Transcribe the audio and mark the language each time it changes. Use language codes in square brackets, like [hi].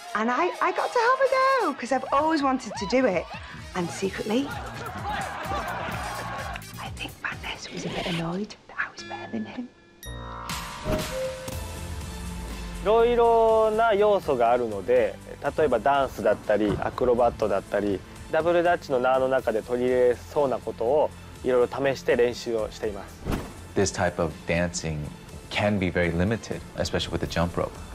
[en] And I got to have a go, because I've always wanted to do it. And secretly, I think Madness was a bit annoyed that I was better than him. [ja] いろいろな要素があるので、例えばダンスだったりアクロバットだったり、ダブルダッチの縄の中で取り入れそうなことをいろいろ試して練習をしています。 [en] This type of dancing can be very limited, especially with the jump rope.